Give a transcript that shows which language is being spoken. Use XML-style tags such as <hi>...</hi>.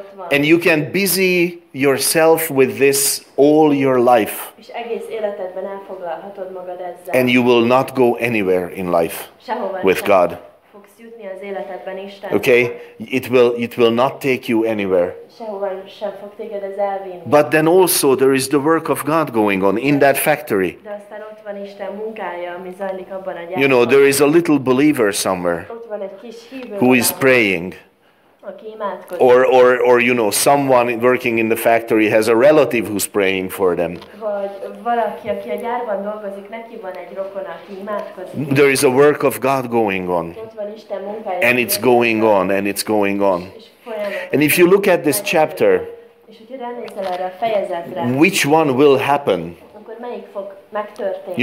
<en>And you can busy yourself with this all your life.</en> <hu>És egész életedben elfoglalhatod magad ezzel.</hu> <en>And you will not go anywhere in life with God.</en> <hu>Fogsz jutni az életedben Isten.</hu> <en>Okay? It will not take you anywhere.</en> <hu>Sehova sem fog téged ez elvinni.</hu> <en>But then also there is the work of God going on in that factory.</en> <hu>De aztán ott van Isten munkája, ami zajlik abban a gyárban.</hu> <en>You know, there is a little believer somewhere</en> <hu>ott van egy kis hívő</hu> <en>who is praying. Or you know, someone working in the factory has a relative who's praying for them.</en> <hu>Valaki, aki a gyárban dolgozik, neki van egy rokon, aki imádkozik.</hu> <en>There is a work of God going on.</en> <hu>Van Isten munkája,</hu> <en>and it's going on, and it's going on. And if you look at this chapter,</en> <hu>és hogy ránézel erre a fejezetre,</hu> <en>which one will happen?</en> <hu>Akkor melyik fog megtörténni?</hu>